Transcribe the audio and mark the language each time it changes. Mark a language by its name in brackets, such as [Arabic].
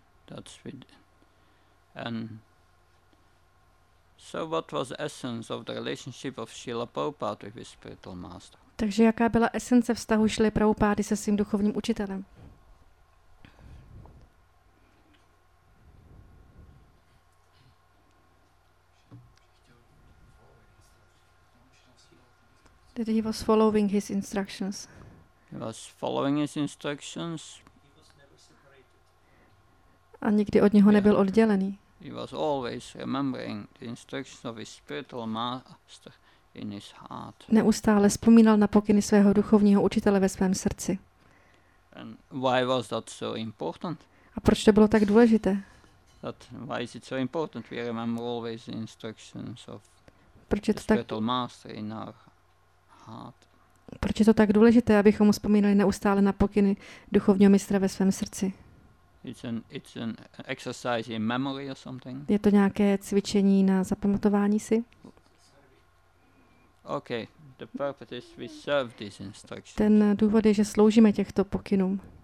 [English] That's with and so what was the essence of the relationship of Srila Prabhupada with his spiritual master? [Czech] Takže jaká byla esence vztahu Srila Prabhupady se svým duchovním učitelem? [English] Did he was following his instructions? He was following his instructions. [Czech] A nikdy od něho nebyl oddělený. [English] He was always remembering the instructions of his spiritual master in his heart. [Czech] Neustále vzpomínal na pokyny svého duchovního učitele ve svém srdci. [English] And why was that so important? [Czech] A proč to bylo tak důležité? [English] That why is it so important? We remember always the instructions of the spiritual master in our heart. [Czech] Proč je to tak důležité, abychom vzpomínali neustále na pokyny duchovního mistra ve svém srdci? [English] It's an exercise in memory or something. [Czech] Je to nějaké cvičení na zapamatování si? [English] Okay, the purpose is we serve these instructions. [Czech] Ten důvod je, že sloužíme těchto pokynům.